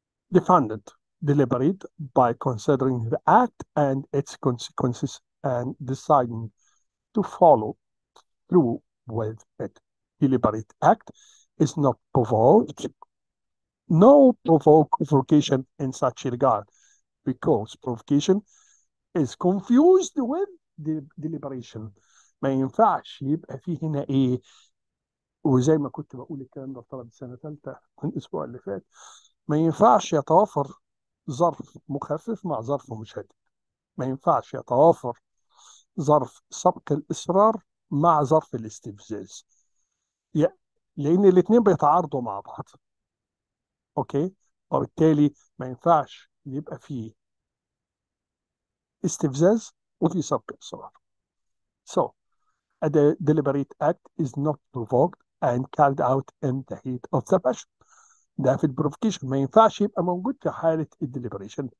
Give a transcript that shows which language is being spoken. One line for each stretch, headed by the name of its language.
English: Defendant deliberate by considering the act and its consequences and deciding to follow through with it. Deliberate act is not provoked, no provocation in such regard, because provocation is confused with deliberation.
Arabic: ما ينفعش يبقى في هنا ايه، وزي ما كنت بقول الكلام ده في طلبه السنه الثالثه من الاسبوع اللي فات، ما ينفعش يتوافر ظرف مخفف مع ظرف مشدد، ما ينفعش يتوافر ظرف سبق الاصرار مع ظرف الاستفزاز، لأن الاثنين بيتعارضوا مع بعض. أوكي؟ وبالتالي ما ينفعش يبقى فيه استفزاز وفي سبق إصرار.
English: So, a deliberate act is not provoked and carried out in the heat of the passion.
Arabic: ده في البروفوكيشن ما ينفعش يبقى موجود في حالة الديليبريشن.